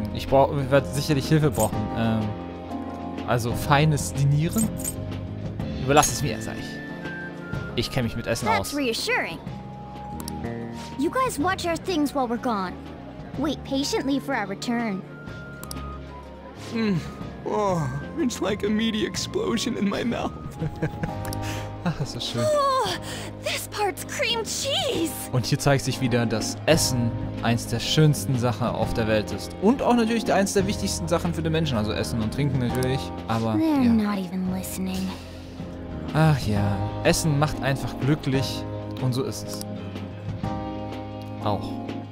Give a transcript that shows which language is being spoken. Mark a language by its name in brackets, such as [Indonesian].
[German] Ich werde sicherlich Hilfe brauchen. Also feines Dinieren? Überlass es mir, sag ich. Ich kenne mich mit Essen aus. [English] That's reassuring. You guys watch our things while we're gone. Wait patiently for our return. Mm. Oh, it's like a meaty explosion in my mouth. [German] Ach, das ist schön. [English] Oh, this part's cream cheese. [German] Und hier zeigt sich wieder, dass Essen eins der schönsten Sachen auf der Welt ist. Und auch natürlich eins der wichtigsten Sachen für den Menschen. Also Essen und Trinken natürlich, aber [English] they're [German] ja. [English] Not even listening. [German] Ach ja, Essen macht einfach glücklich und so ist es. Auch.